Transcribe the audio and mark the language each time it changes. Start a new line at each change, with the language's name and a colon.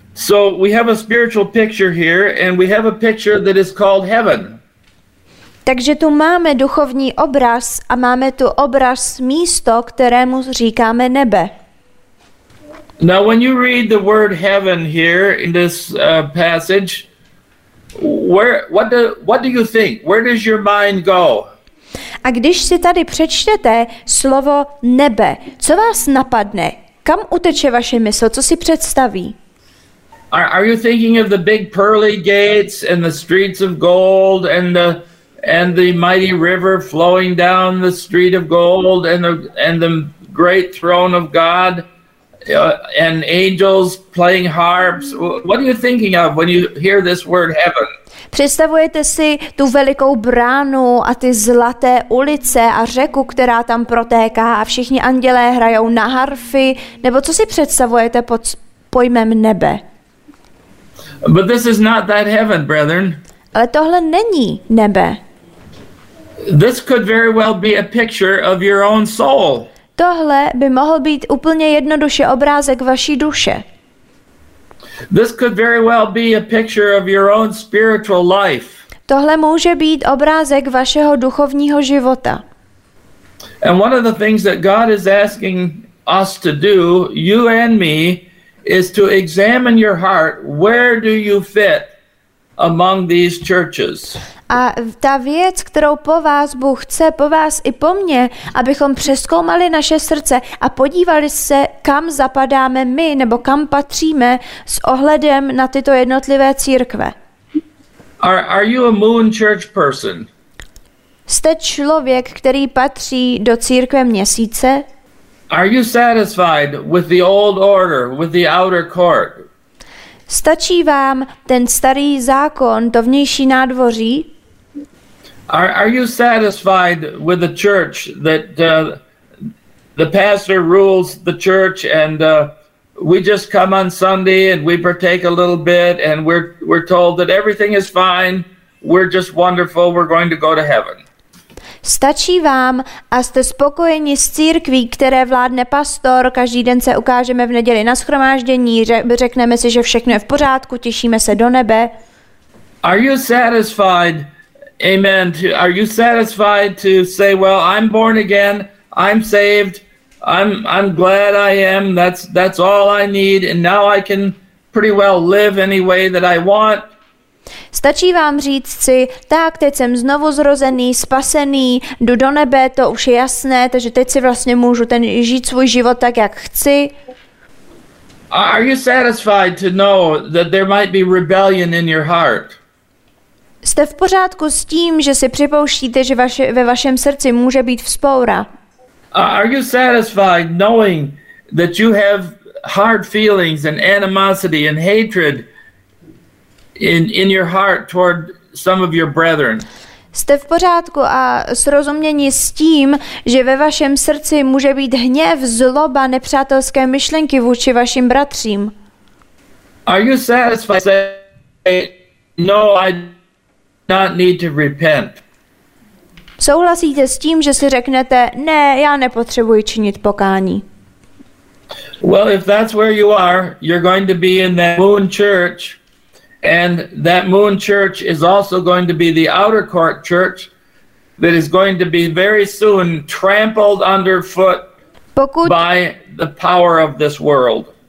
English: So we have a spiritual picture here and we have a picture that is called heaven.
Czech: Takže tu máme duchovní obraz a máme tu obraz místo, kterému říkáme nebe.
English: Now when you read the word heaven here in this passage, what do you think? Where does your mind go?
Czech: A když si tady přečtete slovo nebe, co vás napadne? Kam uteče vaše mysl? Co si představí?
English: Are you thinking of the big pearly gates and the streets of gold and the and the mighty river flowing down the street of gold and the great throne of God and angels playing harps? What are you thinking of when you hear this word heaven?
Czech: Představujete si tu velikou bránu a ty zlaté ulice a řeku, která tam protéká a všichni andělé hrajou na harfy? Nebo co si představujete pod pojmem nebe?
English: But this is not that heaven, brethren.
Czech: Ale tohle není nebe.
English: This could very well be a picture of your own soul.
Czech: Tohle by mohl být úplně jednoduše obrázek vaší duše.
English: This could very well be a picture of your own spiritual life.
Czech: Tohle může být obrázek vašeho duchovního života.
English: And one of the things that God is asking us to do, you and me, is to examine your heart. Where do you fit among these churches?
Czech: A ta věc, kterou po vás Bůh chce, po vás i po mně, abychom přezkoumali naše srdce a podívali se, kam zapadáme my nebo kam patříme s ohledem na tyto jednotlivé církve.
English: Are you a moon church person?
Czech: Jste člověk, který patří do církve měsíce?
English: Are you satisfied with the old order, with the outer court?
Czech: Stačí vám ten starý zákon, to vnější nádvoří?
English: Are you satisfied with the church that the pastor rules the church and we just come on Sunday and we partake a little bit and we're told that everything is fine, we're just wonderful, we're going to go to heaven?
Czech: Stačí vám a jste spokojeni s církví, které vládne pastor, každý den se ukážeme v neděli na shromáždění, řekneme si, že všechno je v pořádku, těšíme se do nebe?
English: Are you satisfied? Amen. Are you satisfied to say, well, I'm born again, I'm saved, I'm glad I am, that's all I need, and now I can pretty well live any way that I want?
Czech: Stačí vám říct si, tak, teď jsem znovu zrozený, spasený, jdu do nebe, to už je jasné, takže teď si vlastně můžu žít svůj život tak, jak chci?
English: Are you satisfied to know that there might be rebellion in your heart?
Czech: Jste v pořádku s tím, že si připouštíte, že ve vašem srdci může být vzpoura?
English: Are you satisfied knowing that you have hard feelings and animosity and hatred in your heart toward some of your brethren?
Czech: Jste v pořádku a srozuměni s tím, že ve vašem srdci může být hněv, zloba, nepřátelské myšlenky vůči vašim bratřím?
English: Are you satisfied saying, no, I do not need to repent?
Czech: Souhlasíte s tím, že si řeknete, ne, já nepotřebuji činit pokání?
English: Well, if that's where you are, you're going to be in that moon church. And that moon church is also going to be the outer court church that is going to be very soon trampled underfoot by the power of this world.